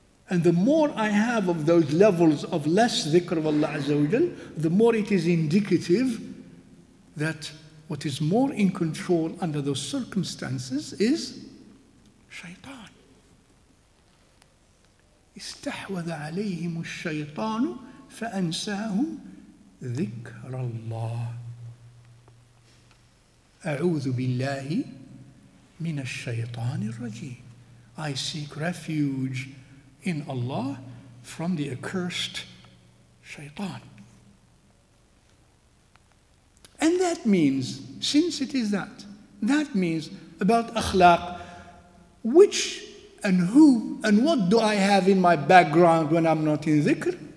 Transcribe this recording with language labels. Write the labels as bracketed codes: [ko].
[en] And the more I have of those levels of less dhikr of Allah Azza wa Jal, the more it is indicative that what is more in control under those circumstances is shaitan. [ar] استحوذ عليهم الشيطان فأنساهم ذكر الله. أعوذ بالله من الشيطان الرجيم. [en] I seek refuge in Allah from the accursed shaitan. And that means, since it is that means about akhlaq, which and who and what do I have in my background when I'm not in dhikr?